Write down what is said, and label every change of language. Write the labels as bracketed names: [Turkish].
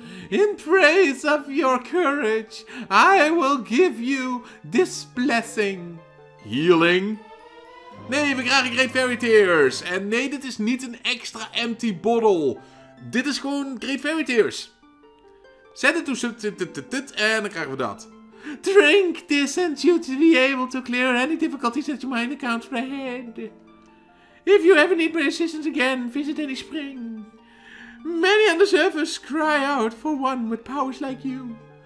[English] In praise of your courage, I will give you this blessing. Healing? [Dutch] Nee, we krijgen Great Fairy Tears. En nee, dit is niet een extra empty bottle. Dit is gewoon Great Fairy Tears. Zet het toe, en dan krijgen we dat. [English] Drink this and you'll be able to clear any difficulties that you might encounter ahead. If you ever need my assistance again, visit any spring. Many on the surface cry out for one with powers like you.